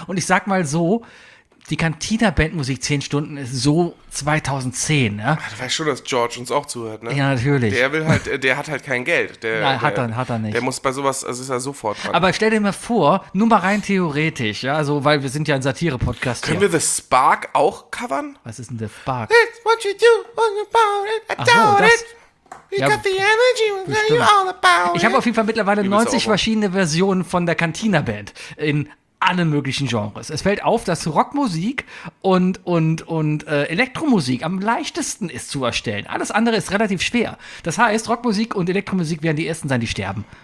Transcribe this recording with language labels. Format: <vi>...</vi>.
<de>Und ich sag mal so, die Cantina-Bandmusik 10 Stunden ist so 2010, ja. Du weißt schon, dass George uns auch zuhört, ne? Ja, natürlich. Der hat halt kein Geld. Nein, hat er nicht. Der muss bei sowas, also ist er sofort dran. Aber stell dir mal vor, nur mal rein theoretisch, ja, also, weil wir sind ja ein Satire-Podcast. Können hier. Wir The Spark auch covern? Was ist denn The Spark?</de> <en>It's what you do about it, about it. You got the energy, you all about it.</en> <de>Ich habe auf jeden Fall mittlerweile 90 verschiedene Versionen von der Cantina-Band in alle möglichen Genres. Es fällt auf, dass Rockmusik und Elektromusik am leichtesten ist zu erstellen. Alles andere ist relativ schwer. Das heißt, Rockmusik und Elektromusik werden die ersten sein, die sterben.</de>